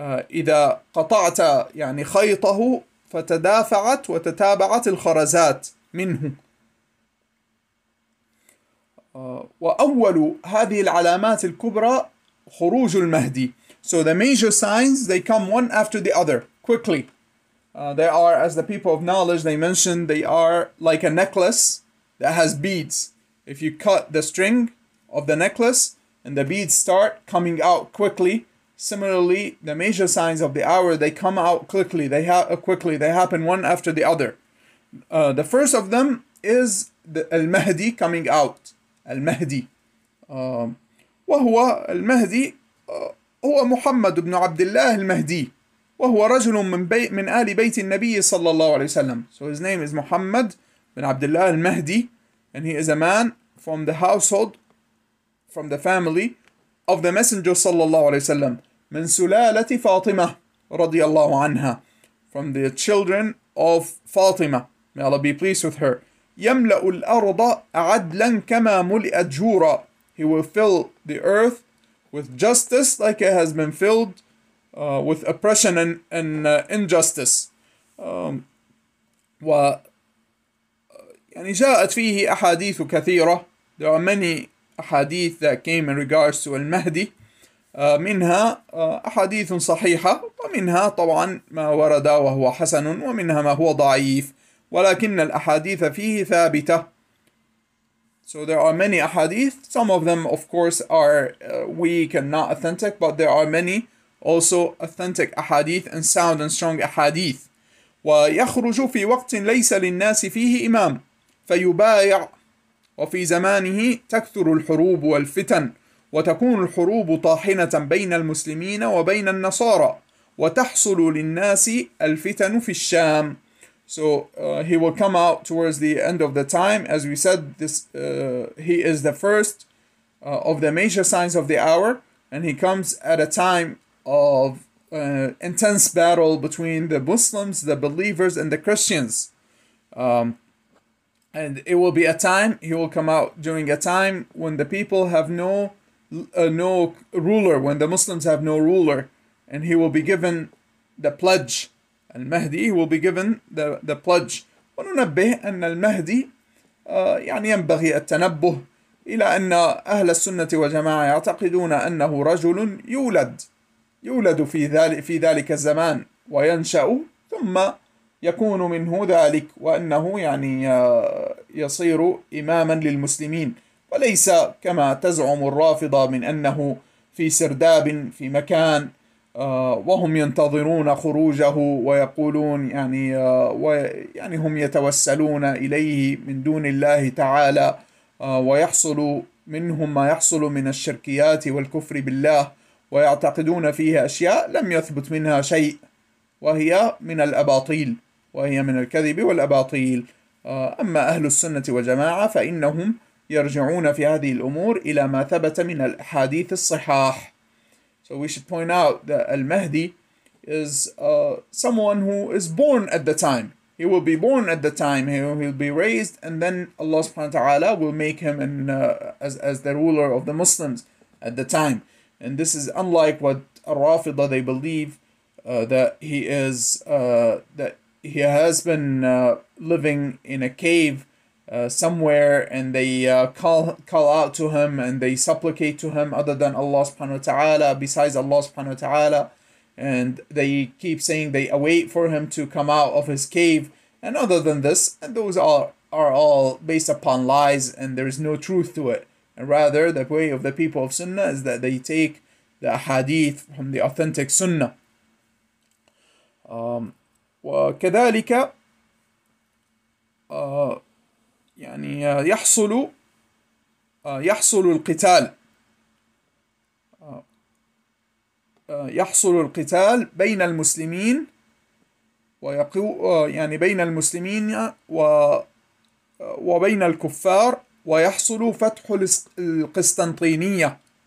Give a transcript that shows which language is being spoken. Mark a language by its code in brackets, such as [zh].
[ar] إذا قطعت يعني خيطه فتدافعت وتتابعت الخرزات منه. وأول هذه العلامات الكبرى خروج المهدي. [en] So the major signs, they come one after the other, quickly. They are, as the people of knowledge, they mentioned, they are like a necklace that has beads. If you cut the string of the necklace and the beads start coming out quickly, similarly, the major signs of the hour, they come out quickly. They happen one after the other. The first of them is the Al-Mahdi coming out. Al-Mahdi. [ar] وهو المهدي هو محمد بن عبد الله المهدي. وهو رجل من آل بيت النبي صلى الله عليه وسلم. [en] So his name is Muhammad bin Abdullah al-Mahdi, and he is a man from the household, from the family of the Messenger [ar] صلى الله عليه وسلم. من سلالة فاطمة رضي الله عنها. [en] From the children of Fatima, may Allah be pleased with her. [ar] يملأ الأرض عدلا كما ملئت جورا. [en] He will fill the earth with justice like it has been filled with oppression and injustice. [ar] يعني جاءت فيه أحاديث كثيرة. [en] There are many أحاديث that came in regards to المهدي. [ar] منها أحاديث صحيحة ومنها طبعا ما ورد وهو حسن ومنها ما هو ضعيف ولكن الأحاديث فيه ثابتة. [en] So there are many أحاديث. Some of them of course are weak and not authentic, but there are many also authentic أحاديث and sound and strong أحاديث. [ar] ويخرج في وقت ليس للناس فيه إمام فيبايع وفي زمانه تكثر الحروب والفتن وتكون الحروب طاحنة بين المسلمين وبين النصارى وتحصل للناس الفتن في الشام. [en] So he will come out towards the end of the time. As we said, this he is the first of the major signs of the hour, and he comes at a time of intense battle between the Muslims, the believers, and the Christians. And it will be a time, he will come out during a time when the people have no ruler, when the Muslims have no ruler, and he will be given the pledge. المهدي will be given the pledge. [ar] وننبه أن المهدي يعني ينبغي التنبه إلى أن أهل السنة والجماعة يعتقدون أنه رجل يولد في ذلك الزمان وينشأ ثم يكون منه ذلك وأنه يعني يصير إماما للمسلمين وليس كما تزعم الرافضة من أنه في سرداب في مكان وهم ينتظرون خروجه ويقولون يعني ويعني هم يتوسلون إليه من دون الله تعالى ويحصل منهم ما يحصل من الشركيات والكفر بالله ويعتقدون فيها أشياء لم يثبت منها شيء وهي من الأباطيل وهي من الكذب والأباطيل. أما أهل السنة والجماعة فإنهم يرجعون في هذه الأمور إلى ما ثبت من الأحاديث الصحاح. [en] So we should point out that Al-Mahdi is someone who is born at the time. He will be born at the time. He will be raised, and then Allah subhanahu wa ta'ala will make him as the ruler of the Muslims at the time. And this is unlike what Al-Rafidah, they believe that he is that he has been living in a cave somewhere, and they call out to him and they supplicate to him other than Allah subhanahu wa ta'ala, besides Allah subhanahu wa ta'ala, and they keep saying they await for him to come out of his cave. And other than this, and those are all based upon lies, and there is no truth to it. And rather, the way of the people of Sunnah is that they take the hadith from the authentic Sunnah. [ar] وكذلك يعني يحصل القتال يحصل القتال بين المسلمين ويقو يعني بين المسلمين وبين الكفار ويحصل فتح القسطنطينية.